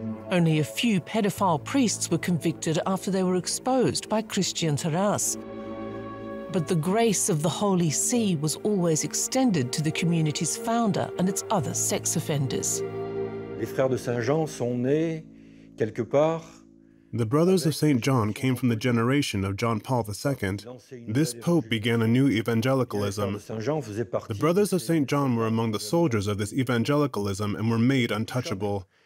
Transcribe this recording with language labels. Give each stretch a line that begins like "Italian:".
English: Only a few pedophile priests were convicted after they were exposed by Christian Terras. But the grace of the Holy See was always extended to the community's founder and its other sex offenders.
French: Les frères de Saint-Jean sont nés quelque part.
English: The brothers of St. John came from the generation of John Paul II. This pope began a new evangelicalism. The brothers of St. John were among the soldiers of this evangelicalism and were made untouchable.